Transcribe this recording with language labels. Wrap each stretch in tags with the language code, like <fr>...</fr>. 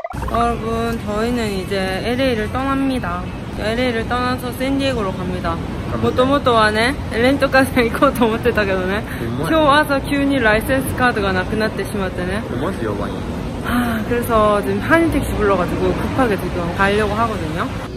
<ko>여러분, 저희는 이제 LA를 떠납니다. LA를 떠나서 샌디에고로 갑니다.</ko> <ja>もともとはね,</ja> <ko>렌터카</ko> <ja>車行こうと思ってたけどね. 今日朝急に</ja> <ko>라이센스 카드가</ko> <ja>なくなってしまってね. マジやばい.</ja> <ko>하, 그래서 지금 한인 택시 불러가지고 급하게 지금 가려고 하거든요.</ko>